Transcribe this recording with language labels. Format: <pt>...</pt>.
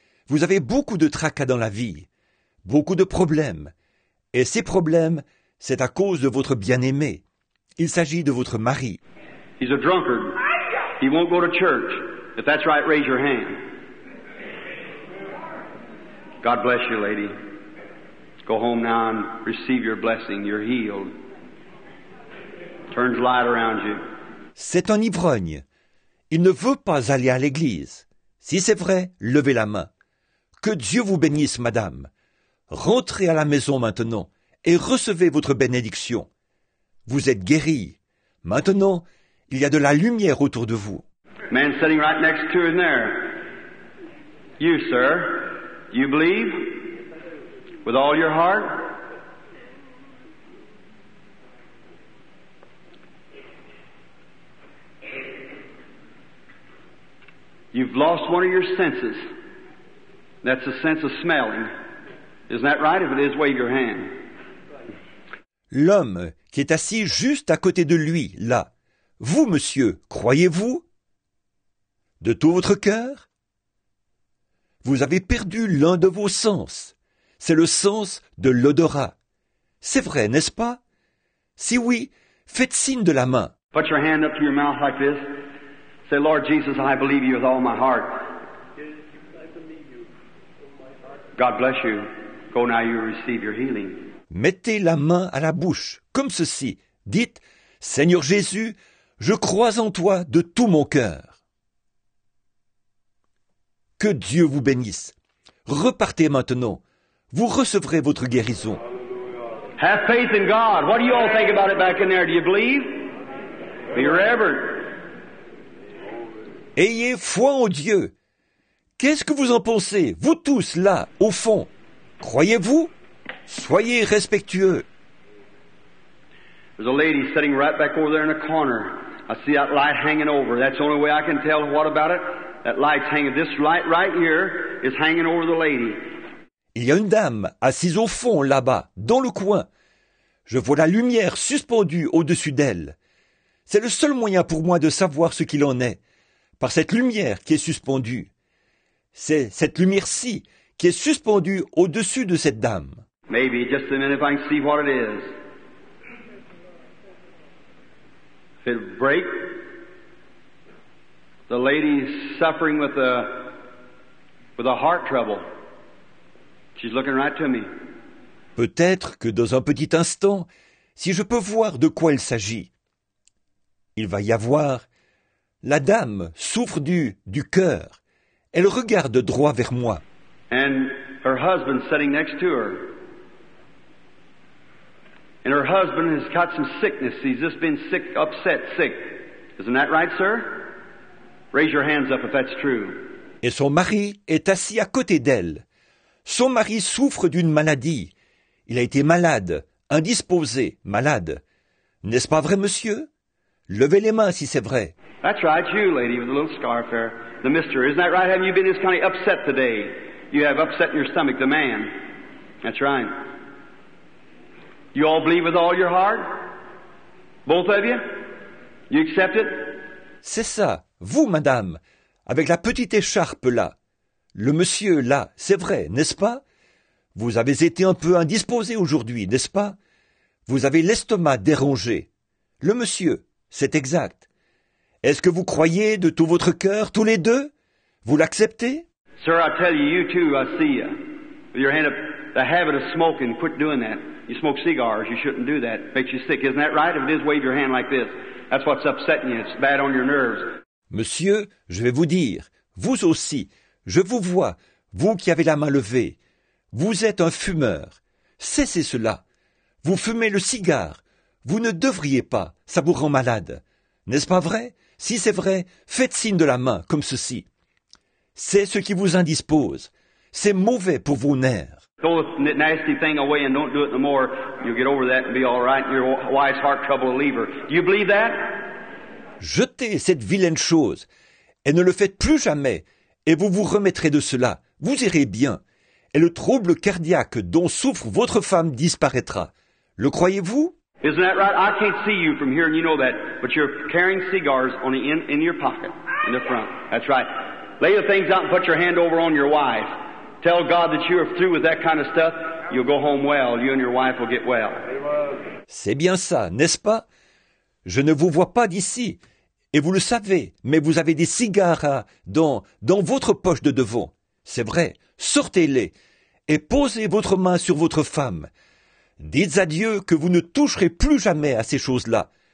<fr>Vous avez beaucoup de tracas dans la vie, beaucoup de problèmes. Et ces problèmes, c'est à cause de votre bien-aimé. Il s'agit de votre mari.</fr> <en>He's a drunkard. He won't go to church. If that's right, raise your hand. God bless you, lady. Go home now and receive your blessing. You're healed. turns light around you.</en> <fr>C'est un ivrogne. Il ne veut pas aller à l'église. Si c'est vrai, levez la main. Que Dieu vous bénisse, madame. Rentrez à la maison maintenant et recevez votre bénédiction. Vous êtes guérie. Maintenant, il y a de la lumière autour de vous.</fr> <en>Man sitting right next to her in there. You, sir, you believe with all your heart? You've lost one of your senses. That's the sense of smelling. Isn't that right? If it is, wave your hand.</en> <fr>L'homme qui est assis juste à côté de lui, là. Vous, monsieur, croyez-vous? De tout votre cœur? Vous avez perdu l'un de vos sens. C'est le sens de l'odorat. C'est vrai, n'est-ce pas? Si oui, faites signe de la main.</fr> <en>Put your hand up to your mouth like this. Say, Lord Jesus, I believe you with all my heart. God bless you. Go now, you receive your healing.</en> <fr>Mettez la main à la bouche, comme ceci. Dites, Seigneur Jésus, je crois en toi de tout mon cœur. Que Dieu vous bénisse. Repartez maintenant. Vous recevrez votre guérison.</fr> <en>Have faith in God. What do you all think about it back in there? Do you believe? Be reverent.</en> <fr>Ayez foi en Dieu. Qu'est-ce que vous en pensez, vous tous, là, au fond? Croyez-vous? Soyez respectueux.</fr> <en>There's a lady sitting right back over there in a corner. I see that light hanging over. That's the only way I can tell what about it. That light's hanging. This light right here is hanging over the lady.</en> <fr>Il y a une dame assise au fond, là-bas, dans le coin. Je vois la lumière suspendue au-dessus d'elle. C'est le seul moyen pour moi de savoir ce qu'il en est. Par cette lumière qui est suspendue. C'est cette lumière-ci qui est suspendue au-dessus de cette dame.</fr> <en>Maybe, just a minute if I can see what it is. If it break, the lady's suffering with a heart trouble. She's looking right to me.</en> <fr>Peut-être que dans un petit instant, si je peux voir de quoi il s'agit, il va y avoir. La dame souffre du cœur. Elle regarde droit vers moi.</fr> <en>And her husband's sitting next to her. And her husband has got some sickness. He's just been sick, upset, sick. Isn't that right, sir? Raise your hands up if that's true.</en> <fr>Et son mari est assis à côté d'elle. Son mari souffre d'une maladie. Il a été malade, indisposé, malade. N'est-ce pas vrai, monsieur? Levez les mains si c'est vrai.</fr> <en>That's right, you lady with the little scarf there. The mister, isn't that right? Haven't you been this kind of upset today? You have upset in your stomach, the man. That's right. You all believe with all your heart? Both of you? You accept it?</en> <fr>C'est ça, vous, madame, avec la petite écharpe là. Le monsieur là, c'est vrai, n'est-ce pas? Vous avez été un peu indisposé aujourd'hui, n'est-ce pas? Vous avez l'estomac dérangé. Le monsieur, c'est exact. Est-ce que vous croyez de tout votre cœur, tous les deux? Vous l'acceptez?</fr> <en>Sir, I tell you, you too, I see you. With your hand up, the habit of smoking, quit doing that. You smoke cigars, you shouldn't do that. It makes you sick, isn't that right? If it is, wave your hand like this. That's what's upsetting you, it's bad on your nerves.</en> <fr>Monsieur, je vais vous dire, vous aussi, je vous vois, vous qui avez la main levée. Vous êtes un fumeur. Cessez cela. Vous fumez le cigare. Vous ne devriez pas, ça vous rend malade. N'est-ce pas vrai? Si c'est vrai, faites signe de la main, comme ceci. C'est ce qui vous indispose. C'est mauvais pour vos nerfs.</fr> <en>Throw the nasty thing away and don't do it no more. You'll get over that and be all right. Your wife's heart trouble will leave her. Do you believe that?</en> <fr>Jetez cette vilaine chose et ne le faites plus jamais et vous vous remettrez de cela. Vous irez bien. Et le trouble cardiaque dont souffre votre femme disparaîtra. Le croyez-vous?</fr> <en>Isn't that right? I can't see you from here, and you know that. But you're carrying cigars on the in your pocket, in the front. That's right. Lay the things out and put your hand over on your wife. Tell God that you are through with that kind of stuff. You'll go home well. You and your wife will get well.</en> <fr>C'est bien ça, n'est-ce pas? Je ne vous vois pas d'ici, et vous le savez. Mais vous avez des cigares dans votre poche de devant. C'est vrai. Sortez-les et posez votre main sur votre femme. Dites à Dieu que vous ne toucherez plus jamais à ces choses-là</fr>